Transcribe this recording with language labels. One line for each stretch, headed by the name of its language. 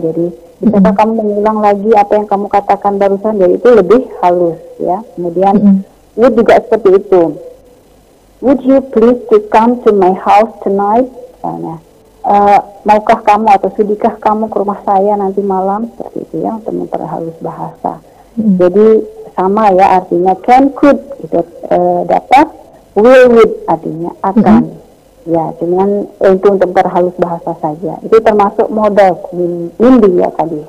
Indonesian: Jadi bisakah kamu mengulang lagi apa yang kamu katakan barusan? Jadi itu lebih halus ya. Kemudian would juga seperti itu.
English: Would you please to come to my house tonight?
Indonesian: Misalnya, maukah kamu atau sudikah kamu ke rumah saya nanti malam? Seperti itu ya, untuk memperhalus bahasa. Jadi sama ya artinya can, could itu dapat, will, would artinya akan. Ya, cuman itu untuk memperhalus bahasa saja. Itu termasuk modal Nindi ya tadi.